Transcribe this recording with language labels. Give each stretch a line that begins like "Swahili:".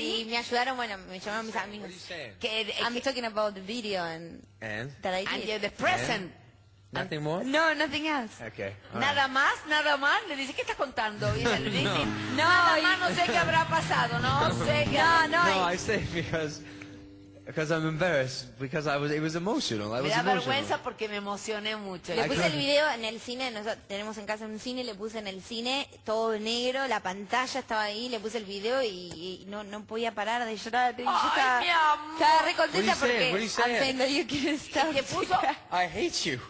Spanish: Y me ayudaron, bueno, me llamaron mis amigos. ¿Qué estás diciendo?
English: I'm talking about the video that I did. And the present. Nothing more? No, nothing else. Okay.
Spanish: Nada más, nada más. Le dice, ¿qué estás contando? Y él dice, no. Nada más, no sé qué habrá pasado, no sé qué. No,
English: I say because I'm embarrassed because it was emotional.
Spanish: Me da vergüenza porque me emocioné mucho. Le puse el video en el cine, nosotros tenemos en casa un cine, le puse en el cine todo negro, la pantalla estaba ahí, le puse el video y no podía parar de llorar. Ay, mi amor. Estaba re contenta porque haciendo yo quiero estar. Le puso
English: I hate you.